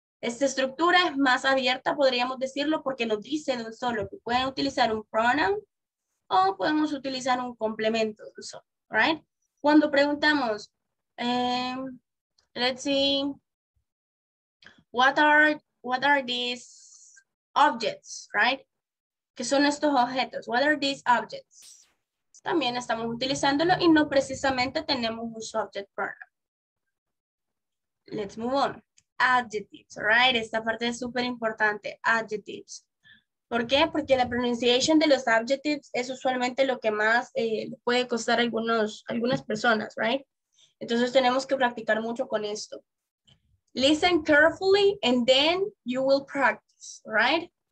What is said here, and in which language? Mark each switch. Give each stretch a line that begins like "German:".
Spanish: Esta estructura es más abierta, podríamos decirlo, porque nos dice de un solo que pueden utilizar un pronoun o podemos utilizar un complemento de un solo.
English: Right?
Spanish: Cuando preguntamos,
English: let's see, what are these objects, right?
Spanish: ¿Qué son estos objetos?
English: What are these objects?
Spanish: También estamos utilizándolo y no precisamente tenemos un subject pronoun.
English: Let's move on.
Spanish: Adjectives, right? Esta parte es súper importante. Adjectives. ¿Por qué? Porque la pronunciation de los adjectives es usualmente lo que más puede costar a algunas personas, right? Entonces tenemos que practicar mucho con esto.
English: Listen carefully and then you will practice, right?